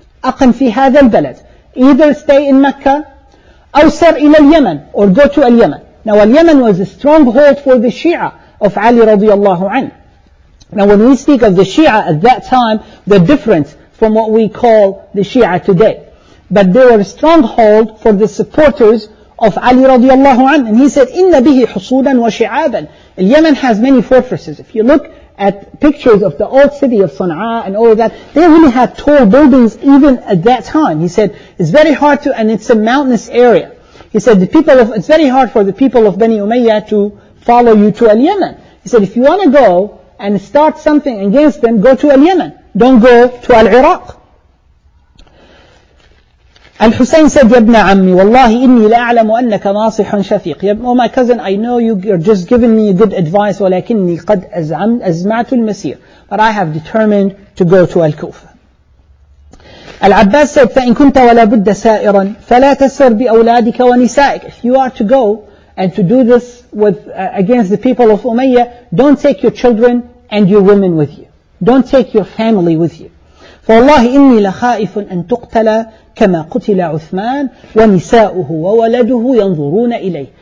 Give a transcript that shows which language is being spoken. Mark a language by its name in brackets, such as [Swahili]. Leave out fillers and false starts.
[Arabic] أَقِمْ فِي هَذَا الْبَلَدِ, [English] either stay in Mecca, [Arabic] أَوْ سَرْ إِلَى الْيَمَنِ, [English] or go to Al-Yaman. Now Al-Yaman was a stronghold for the Shia of Ali radiallahu anhu. Now when we speak of the Shia at that time, the difference from what we call the Shia today. But they were a stronghold for the supporters of Ali radiallahu anhu. And he said, [Arabic] إِنَّ بِهِ حُصُولًا وَشِعَابًا. [English] Al-Yaman has many fortresses. If you look at pictures of the old city of Sana'a and all of that, they really had tall buildings even at that time. He said, it's very hard to, and it's a mountainous area. He said, it's very hard for the people of Bani Umayyah to follow you to Al-Yaman. He said, if you want to go and start something against them, go to Al-Yaman. Don't go to Al-Iraq. Al-Husayn said, [Arabic] Yabna Ammi, Wallahi inni la'alamu annaka nasihun shafiq. [English] Oh my cousin, I know you're just giving me good advice, [Arabic] walakinni qad azma'tu al-masir. [English] But I have determined to go to Al-Kufa. Al-Abbas said, [Arabic] فَإِن كُنْتَ وَلَا بُدَّ سَائِرًا فَلَا تَسْرْ بِأَوْلَادِكَ وَنِسَائِكَ. [English] If you are to go and to do this against the people of Umayyah, don't take your children and your women with you. Don't take your family with you. [Arabic] فَوَاللَّهِ إِنِّي لَخَائِفٌ أَن تُقْتَلَ كَمَا قُتِلَ عُثْمَانُ وَنِسَاؤُهُ وَوَلَدُهُ يَنْظُرُونَ إِلَيْهِ.